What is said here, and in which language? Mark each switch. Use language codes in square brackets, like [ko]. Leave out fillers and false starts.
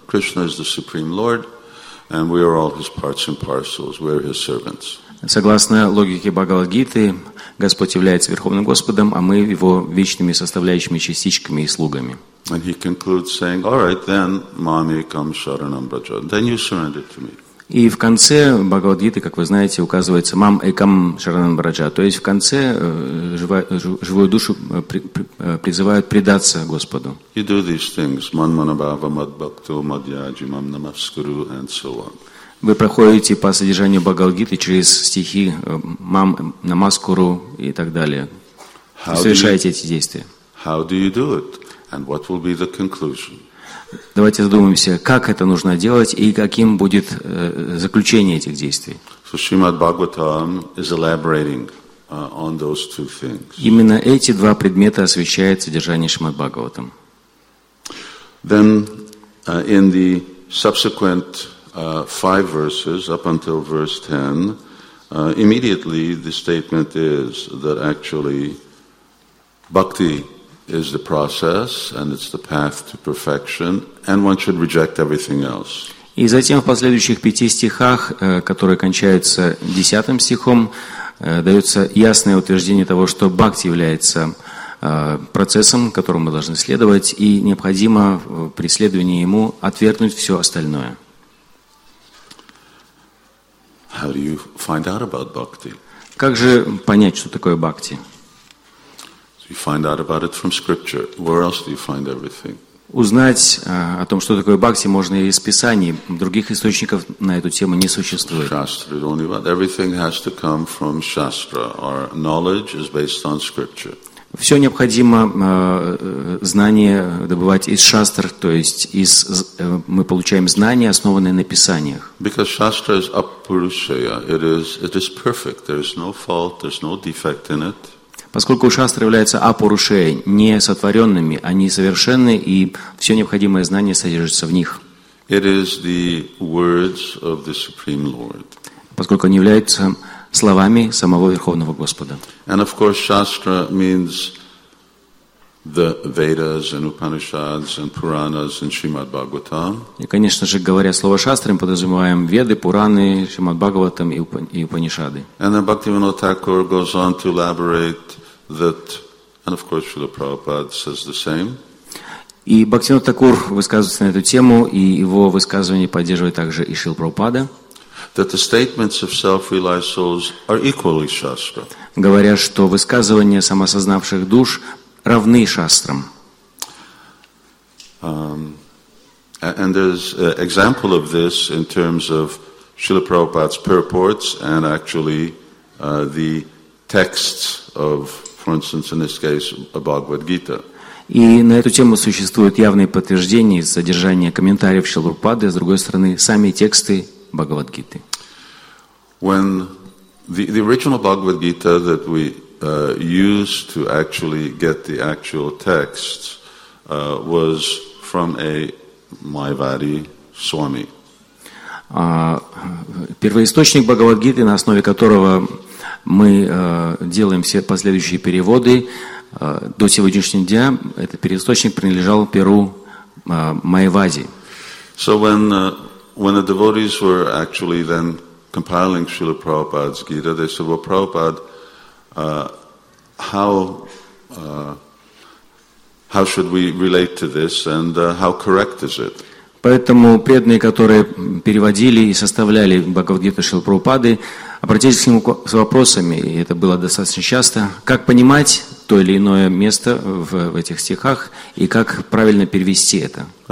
[en] Krishna is the Supreme Lord, and we are all His parts and parcels. We are His servants. [ru] Согласно логике Бхагавад-гиты, Господь является Верховным Господом, а мы Его вечными составляющими частичками и слугами. [en] And He concludes saying, all right, then, [sa] mami kam sharanam braja. [en] Then you surrender to me. [ru] И в конце Бхагавад-гиты, как вы знаете, указывается [sa] «мам экам шаранам браджа». [ru] То есть в конце живую душу призывают предаться Господу. [en] You do these things. [sa] Манманабава мадбакту мадьяджи мам намаскуру [en] and so on. [ru] Вы проходите по содержанию Бхагавад-гиты через стихи [sa] «мам намаскуру» [ru] и так далее. [en] How [ru] совершаете эти действия. [en] How do you do it? And what will be the conclusion? [ru] Давайте задумаемся, как это нужно делать и каким будет заключение этих действий. [en] So Шримад-Бхагаватам is elaborating on those two things. [ru] Именно эти два предмета освещает содержание Шримад-Бхагаватам. [en] Then in the subsequent five verses up until verse 10, immediately the statement is that actually bhakti is the process and it's the path to perfection and one should reject everything else. [ru] И затем в последующих пяти стихах, которые кончаются десятым стихом, дается ясное утверждение того, что бхакти является процессом, которому мы должны следовать, и необходимо в преследовании ему отвергнуть все остальное. [en] How do you find out about bhakti? [ru] Как же понять, что такое бхакти? [en] You find out about it from scripture. Where else do you find everything? [ru] Узнать о том, что такое бхакти, можно из писаний. Других источников на эту тему не существует. [en] Shastra, only about everything has to come from shastra. Our knowledge is based on scripture. [ru] Все необходимо знание добывать из шастр, то есть из мы получаем знания, основанные на писаниях. [en] Because shastra is apurusheya, it is perfect. There is no fault. There is no defect in it. [ru] Поскольку шастры являются апурушей, несотворенными, они совершенны, и все необходимое знание содержится в них. [en] It is the words of the Supreme Lord. [ru] Поскольку они являются словами самого Верховного Господа. [en] And of course, shastra means the Vedas and Upanishads and Puranas and Shrimad Bhagavatam. [ru] И, конечно же, говоря слово шастры, мы подразумеваем Веды, Пураны, Шримад Бхагаватам и Упанишады. [en] And then Bhaktivinoda Thakur goes on to elaborate that, and of course, Srila Prabhupada says the same. [ru] И Бхактивинода Такур высказывается на эту тему, и его высказывание поддерживает также и Шрила Прабхупада. [en] That the statements of self-realized souls are equally shastra. [ru] Говоря, что высказывания самосознавших душ равны шастрам. [en] And there's an example of this in terms of Srila Prabhupada's purports and actually the texts of, for instance, in this case, Bhagavad-gita. [ru] И на эту тему существуют явные подтверждения из содержания комментариев Шрилы Прабхупады, а с другой стороны, сами тексты Бхагавад-гиты. [en] When the original Bhagavad-gita that we used to actually get the actual texts was from a Maivari Swami. [ru] Первоисточник Бхагавад-гиты, на основе которого мы делаем все последующие переводы до сегодняшнего дня, этот первоисточник принадлежал перу Майвади. [en] So when the devotees were actually then compiling Srila Prabhupada's Gita, they said, well, Prabhupada, how should we relate to this and how correct is it? [ru] Поэтому преданные, которые переводили и составляли Бхагавад-гиту Шрилы Прабхупады, обратились к нему с вопросами, и это было достаточно часто, как понимать то или иное место в этих стихах и как правильно перевести это.